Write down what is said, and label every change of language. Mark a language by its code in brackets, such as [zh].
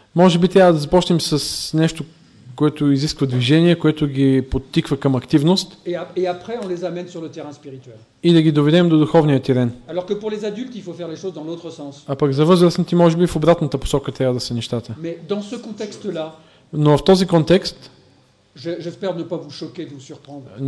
[bg] Може би трябва да започнем с нещо, което изисква движение, което ги подтиква към активност. [fr] Et après on les amène sur le terrain spirituel. [bg] И да ги доведем до духовния терен. [fr] Alors que pour les adultes, il faut faire les choses dans l'autre sens. [bg] А пък за възрастните, може би в обратната посока трябва да са нещата. [fr] Mais dans ce contexte-là. [bg] Но в този контекст. [fr] J'espère ne pas vous choquer, vous surprendre.